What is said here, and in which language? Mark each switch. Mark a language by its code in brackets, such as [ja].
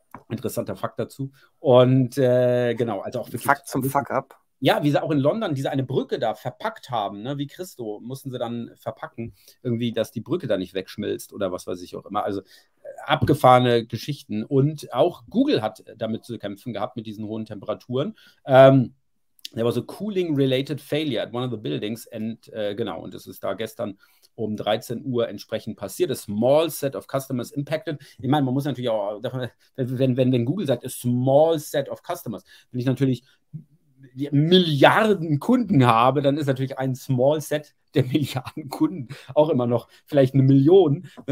[de] Interessanter Fakt dazu. Und genau, also auch wirklich. Fakt zum Fuck-up. Ja, wie sie auch in London diese eine Brücke da verpackt haben, ne, wie Christo, mussten sie dann verpacken, irgendwie, dass die Brücke da nicht wegschmilzt oder was weiß ich auch immer. Also abgefahrene Geschichten. Und auch Google hat damit zu kämpfen gehabt mit diesen hohen Temperaturen. [en] There was a cooling-related failure at one of the buildings. [de] Genau, und das ist da gestern um 13 Uhr entsprechend passiert. [en] A small set of customers impacted. [de] Ich meine, man muss natürlich auch, wenn Google sagt, a small set of customers, wenn ich natürlich Milliarden Kunden habe, dann ist natürlich ein small set der Milliarden Kunden auch immer noch vielleicht 1 Million.